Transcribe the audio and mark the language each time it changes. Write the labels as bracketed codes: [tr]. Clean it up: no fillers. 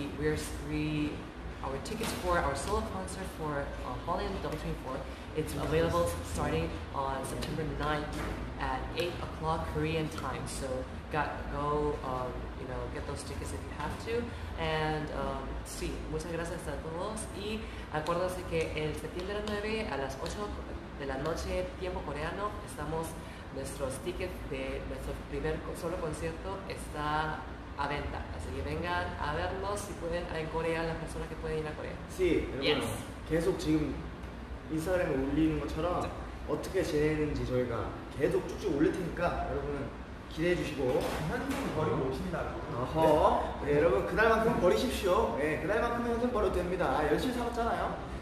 [en] Our tickets for our solo concert for Bali and W24. It's available starting on September 9th at 8 o'clock Korean time. So get those tickets if you have to. [es] And sí, muchas gracias a todos. Y acuérdense que el septiembre 9 a las 8 de la noche, tiempo coreano, nuestros tickets de nuestro primer solo concierto está a venta. Así que vengan a vernos si pueden en Corea, las personas que pueden ir a Corea. Sí, hermano. [en] Yes. [ko] 계속 지금 인스타그램에 올리는 것처럼 어떻게 진행되는지 저희가 계속 쭉쭉 올릴 테니까 여러분은 기대해 주시고. 현금 버리고 오신다고. 어허. 네, 여러분, 그날만큼 버리십시오. 네, 그날만큼 현금 버려도 됩니다. 열심히 살았잖아요.